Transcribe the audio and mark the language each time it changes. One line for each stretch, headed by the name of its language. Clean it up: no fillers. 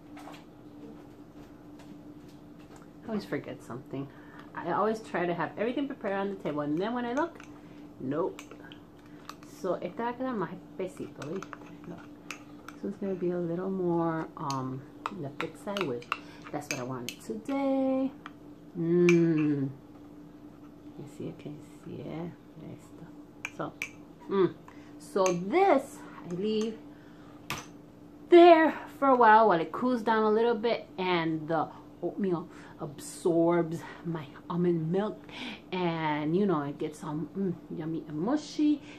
English: I always forget something. I always try to have everything prepared on the table, and then when I look, nope.
Spanish: So esta va a quedar más espesito, ¿viste?
English: So it's gonna be a little more in the thick side, which that's what I wanted today. You see, can you see it? So this I leave there for a while it cools down a little bit and the oatmeal absorbs my almond milk and you know it gets all yummy and mushy.